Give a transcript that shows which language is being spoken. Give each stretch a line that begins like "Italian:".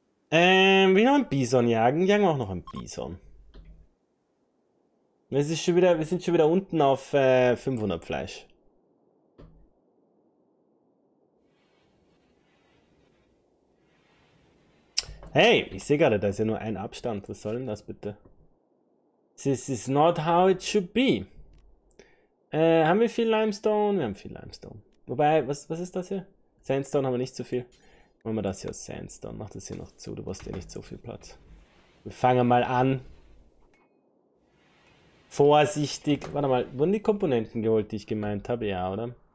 German: Wir noch ein Bison jagen. Jagen wir auch noch ein Bison. Wir sind schon wieder unten auf 500 Fleisch. Hey, ich sehe gerade, da ist ja nur ein Abstand. Was soll denn das bitte?
English: This is not how it should be.
German: Haben wir viel Limestone? Wir haben viel Limestone. Wobei, was ist das hier? Sandstone haben wir nicht so viel. Machen wir das hier aus Sandstone. Mach das hier noch zu, du brauchst ja nicht so viel Platz. Wir fangen mal an. Vorsichtig. Warte mal, wurden die Komponenten geholt, die ich gemeint habe? Ja, oder?